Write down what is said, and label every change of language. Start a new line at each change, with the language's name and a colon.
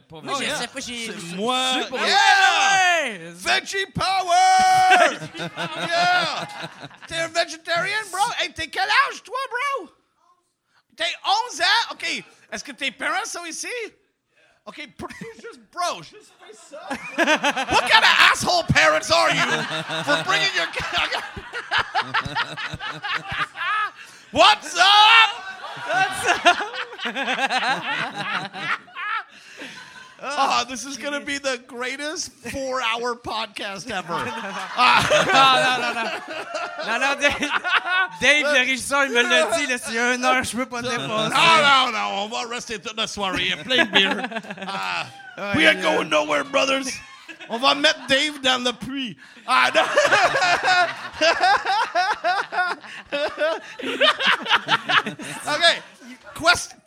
French: pas végétariens. Moi, je sais pas, j'ai... C'est moi!
English: Super. Yeah! Veggie power! Yeah!
French: T'es un végétarien, bro? Hey, t'es quel âge, toi, bro? T'es 11 ans? OK, est-ce que tes parents sont ici? OK, bro, just fais ça.
English: What kind of asshole parents are you for bringing your... What's up? Oh, this is going to be the greatest 4-hour podcast ever. No.
French: Dave, le régisseur, il me l'a dit, là, c'est 1 heure, je peux pas dépasser. No, on va rester toute la soirée, plein de beer.
English: We ain't going nowhere, brothers.
French: On va mettre Dave dans le puits. OK. Question numéro...